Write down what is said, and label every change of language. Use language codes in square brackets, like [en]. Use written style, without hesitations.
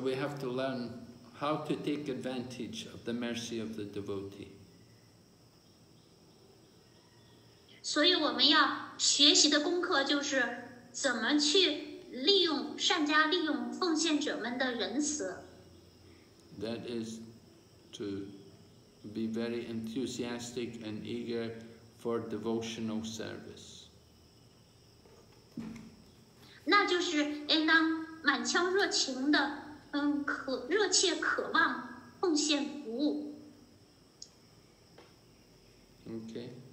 [en] we have to learn how to take advantage of the mercy of the devotee. [zh] 所以我们要学习的功课就是怎么去善加利用奉献者们的仁慈。 [en] That is to be very enthusiastic and eager for devotional service. [zh] 那就是应当满腔热情的，热切渴望奉献服务。 [en] Okay.